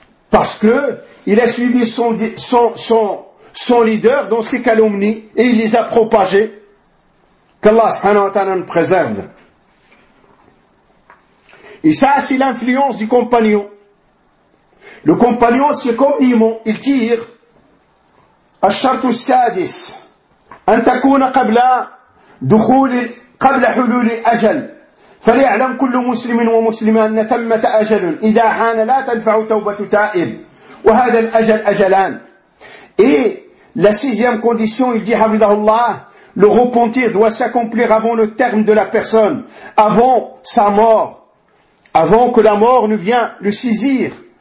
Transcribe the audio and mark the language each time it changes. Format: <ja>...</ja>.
<fr>Parce que il a suivi son leader dans ses calomnies et il les a propagées. Qu'Allah subhanahu wa ta'ala nous préserve. Et ça, c'est l'influence du compagnon. Le compagnon, c'est comme l'imam, il tire.</fr> <ar>الشرط السادس أن تكون قبل دخول قبل حلول أجل فليعلم كل مسلم ومسلمة أن تمة أجل إذا حان لا تنفع توبة تائب وهذا الأجل أجلان.</ar> <fr>Et la sixième condition, il dit</fr> <ar>حفظه الله,</ar> <fr>le repentir doit s'accomplir avant le terme de la personne, avant sa mort, avant que la mort ne vienne le saisir.</fr>